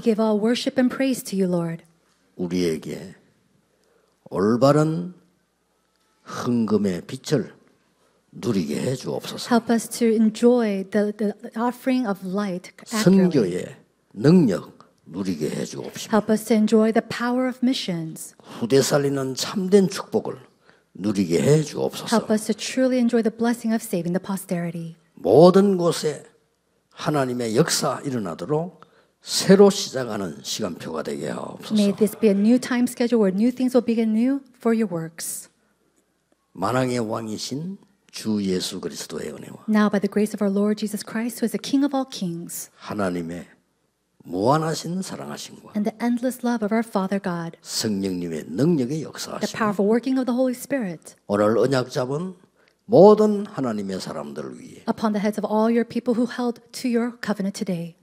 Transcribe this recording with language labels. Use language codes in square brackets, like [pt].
[en] give all worship and praise to you, Lord. [ko] 우리에게 올바른 헌금의 빛을 누리게 해 주옵소서. [en] Help us to enjoy the offering of light. [ko] 선교의 능력 누리게 해 주옵소서. [en] Help us to enjoy the power of missions. [ko] 후대 살리는 참된 축복을 누리게 해 주옵소서. [en] Help us to truly enjoy the blessing of saving the posterity. [ko] 모든 곳에 하나님의 역사 일어나도록 새로 시작하는 시간표가 되게 하옵소서. [en] May this be a new time schedule where new things will begin new for your works. [ko] 만왕의 왕이신 주 예수 그리스도의 은혜와 [en] Now by the grace of our Lord Jesus Christ who is the King of all kings. [ko] 하나님의 무한하신 사랑하심과 [en] And the endless love of our Father God. [ko] 성령님의 능력의 역사하심 [en] The powerful working of the Holy Spirit. [ko] 오늘 언약 잡은 모든 하나님의 사람들 위해 [en] Upon the heads of all your people who held to your covenant today